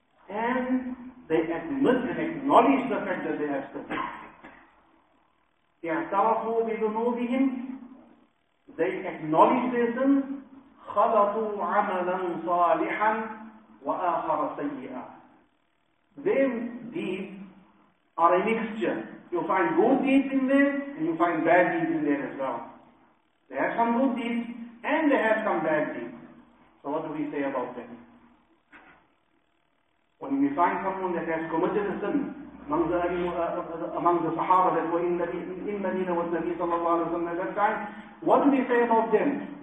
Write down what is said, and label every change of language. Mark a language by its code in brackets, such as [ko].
[en] And they admit and acknowledge the fact that they have sinned. [ar] اعترفوا بذنوبهم. [en] They acknowledge their sins. [ar] خلطوا عملا صالحا وآخر سيئا. [en] Their deeds are a mixture. You'll find good deeds in them and you'll find bad deeds in them as well. They have some good deeds and they have some bad deeds. So what do we say about them? When we find someone that has committed a sin among the Sahaba that were in Medina with Nabi sallallahu alayhi wa sallam at that time, what do we say about them?